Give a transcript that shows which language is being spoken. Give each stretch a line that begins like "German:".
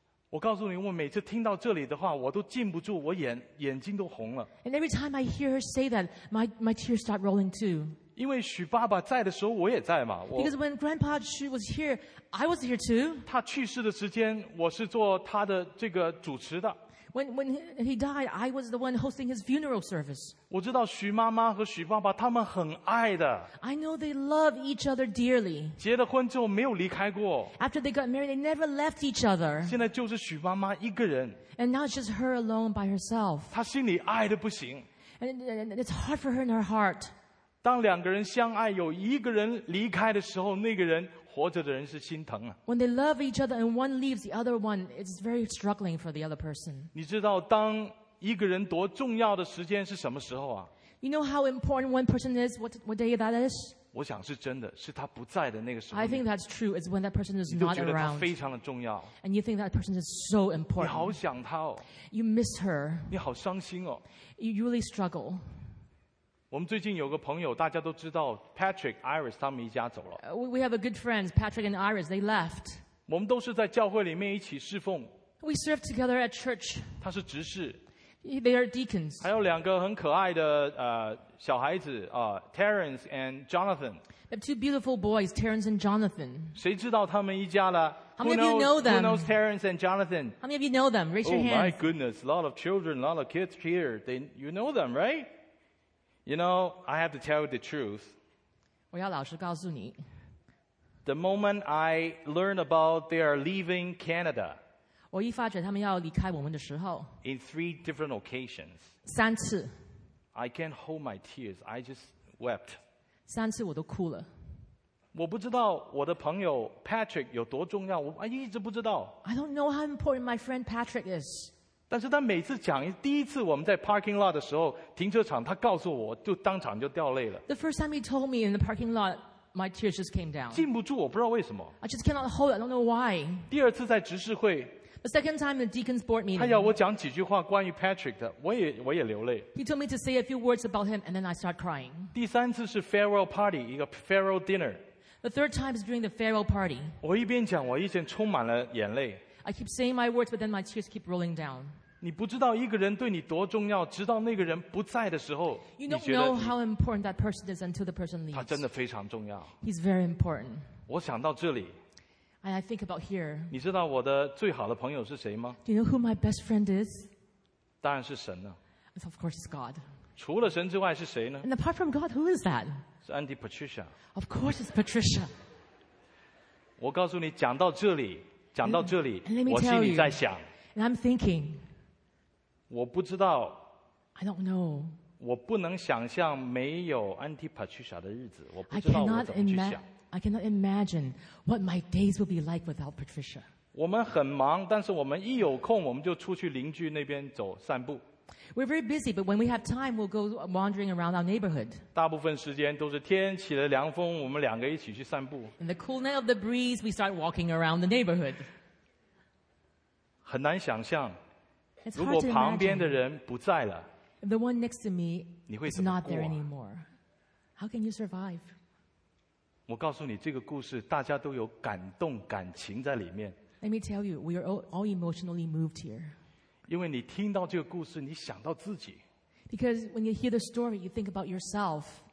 Chinese: 我告诉你，我每次听到这里的话，我都禁不住，我眼睛都红了。
English: And every time I hear her say that, my tears start rolling too.
Chinese: 因为许爸爸在的时候，我也在嘛。
English: Because when Grandpa Xu was here, I was here too.
Chinese: 他去世的时间，我是做他的这个主持的。
English: When he died, I was the one hosting his funeral service.
Chinese: 我知道徐妈妈和徐爸爸他们很爱的。
English: I know they love each other dearly.
Chinese: 结了婚之后没有离开过。
English: After they got married, they never left each other.
Chinese: 现在就是徐妈妈一个人。
English: And now it's just her alone by herself.
Chinese: 她心里爱得不行。
English: And it's hard for her in her heart.
Chinese: 当两个人相爱，有一个人离开的时候，那个人活着的人是心疼啊。
English: When they love each other and one leaves the other one, it's very struggling for the other person.
Chinese: 你知道当一个人多重要的时间是什么时候啊？
English: You know how important one person is? What day that is?
Chinese: 我想是真的，是他不在的那个时候。
English: I think that's true. It's when that person is not around.
Chinese: 你都觉得他非常的重要。
English: And you think that person is so important.
Chinese: 你好想他哦。
English: You miss her.
Chinese: 你好伤心哦。
English: You really struggle.
Chinese: 我们最近有个朋友，大家都知道 Patrick Iris 他们一家走了。
English: We have a good friend, Patrick and Iris. They left.
Chinese: 我们都是在教会里面一起侍奉。
English: We serve together at church.
Chinese: 他是执事。
English: They are deacons.
Chinese: 还有两个很可爱的小孩子啊 ，Terrence and Jonathan.
English: They have two beautiful boys, Terrence and Jonathan. 谁知道他们一家呢？ How many of you know them? Who knows Terrence and Jonathan? How many of you know them? Raise your hands. Oh my goodness, a lot of children, a lot of kids here. You know them, right? You know, I have to tell you the truth.
Chinese: 我要老实告诉你。
English: The moment I learned about they are leaving Canada,
Chinese: 我一发觉他们要离开我们的时候。
English: In three different occasions.
Chinese: 三次。
English: I can't hold my tears. I just wept.
Chinese: 三次我都哭了。我不知道我的朋友 Patrick 有多重要，我一直不知道。
English: I don't know how important my friend Patrick is.
Chinese: 但是他每次讲第一次我们在 parking lot 的时候停车场他告诉我就当场就掉泪了
English: The first time he told me in the parking lot my tears just came down
Chinese: 禁不住我不知道为什么
English: I just cannot hold it, I don't know why
Chinese: 第二次在执事会
English: The second time the deacon's board meeting
Chinese: 他要我讲几句话关于 Patrick 的我也流泪
English: He told me to say a few words about him and then I start crying
Chinese: 第三次是 farewell party 一个 farewell dinner
English: The third time is during the farewell party
Chinese: 我一边讲我一边充满了眼泪
English: I keep saying my words but then my tears keep rolling down
Chinese: 你不知道一个人对你多重要，直到那个人不在的时候，你觉得
English: You don't know how important that person is until the person leaves.
Chinese: 他真的非常重要。
English: He's very important.
Chinese: 我想到这里。
English: And I think about here.
Chinese: 你知道我的最好的朋友是谁吗
English: ？Do you know who my best friend is?
Chinese: 当然是神了。
English: Of course, it's God.
Chinese: 除了神之外是谁呢
English: ？And apart from God, who is that?
Chinese: 是 Andy Patricia.
English: Of course, it's Patricia.
Chinese: 我告诉你，讲到这里，讲到这里，
English: and let me
Chinese: 我心里在想。
English: And I'm thinking.
Chinese: 我不知道
English: I don't know.
Chinese: 我不能想象没有 Auntie Patricia 的日子我不知道我怎么去想
English: I cannot imagine what my days will be like without Patricia.
Chinese: 我们很忙但是我们一有空我们就出去邻居那边走散步
English: We're very busy but when we have time we'll go wandering around our neighborhood.
Chinese: 大部分时间都是天起了凉风我们两个一起去散步
English: In the coolness of the breeze we start walking around the neighborhood.
Chinese: 很难想象
English: It's、
Chinese: 如果旁边的人不在了
English: the one next to me
Chinese: 你会怎么
English: 过、啊、is not there anymore. How can you survive?
Chinese: 我告诉你这个故事大家都有感动感情在里面
English: Let me tell you, we are all emotionally moved here.
Chinese: 因为你听到这个故事你想到自己
English: Because when you hear the story, you think about yourself.